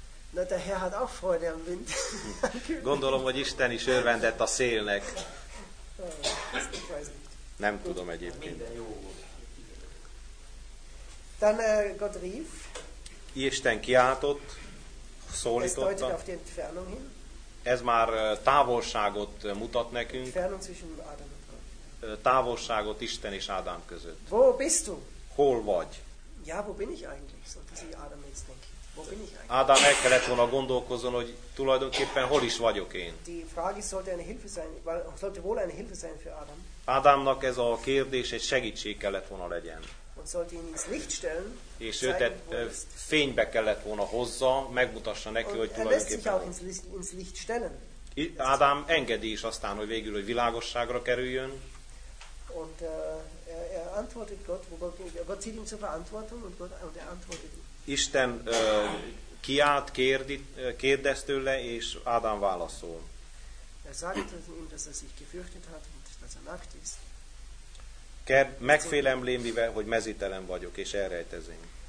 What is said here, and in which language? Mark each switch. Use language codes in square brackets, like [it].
[de] Na, de Herr hat auch Freude am Wind. [hu] Gondolom, hogy Isten is örvendett a szélnek. Nem tudom egyébként. [de] Dann Gott rief. [hu] Isten kiáltott, szólította. [de] Es deutet auf die Entfernung hin. [hu] Ez már távolságot mutat nekünk. [de] Entfernung zwischen Adam und Gott. [hu] Távolságot Isten és Ádám között. [de] Wo bist du? [hu] Hol vagy? [de] Ja, wo bin ich eigentlich? Sollte sich Adam jetzt denken. Wo bin ich eigentlich? [hu] Ádám el kellett volna gondolkozzon, hogy tulajdonképpen hol is vagyok én. [de] Die Frage sollte eine Hilfe sein, sollte wohl eine Hilfe sein für Adam. [hu] Ádámnak ez a kérdés egy segítség kellett volna legyen. [de] Und sollte ihn ins Licht stellen. [hu] És őt fénybe kellett volna hozza, megmutassa neki, [de] und [hu] hogy tulajdonképpen. [de] Ins Licht stellen. [hu] Ádám engedi is aztán, hogy végül, hogy világosságra kerüljön. [de] Und er antwortet Gott, wo Gott zieht ihn zur Verantwortung und Gott und er antwortet. [hu] Isten kiált, kérdezt tőle, és Ádám válaszol. [de] Er sagt ihm, dass er sich gefürchtet hat und dass er nackt ist. [hu] Megfélemlém, mivel, hogy mezítelen vagyok, és elrejtezem.